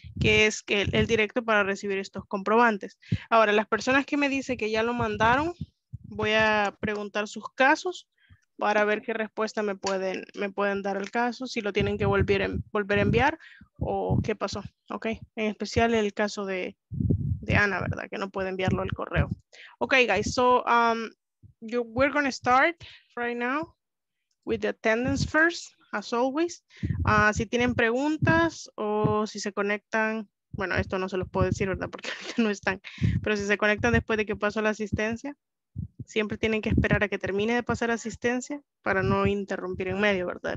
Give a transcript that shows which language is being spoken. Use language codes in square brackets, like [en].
[es] Que es el directo para recibir estos comprobantes. Ahora, las personas que me dicen que ya lo mandaron, voy a preguntar sus casos para ver qué respuesta me pueden dar al caso, si lo tienen que volver a enviar o qué pasó, ¿ok? En especial el caso de Ana, ¿verdad? Que no puede enviarlo al correo. [en] Ok, guys, so we're going to start right now with the attendance first, as always. [es] Si tienen preguntas o si se conectan, bueno, esto no se los puedo decir, ¿verdad? Porque no están, pero si se conectan después de que pasó la asistencia, siempre tienen que esperar a que termine de pasar asistencia para no interrumpir en medio, ¿verdad?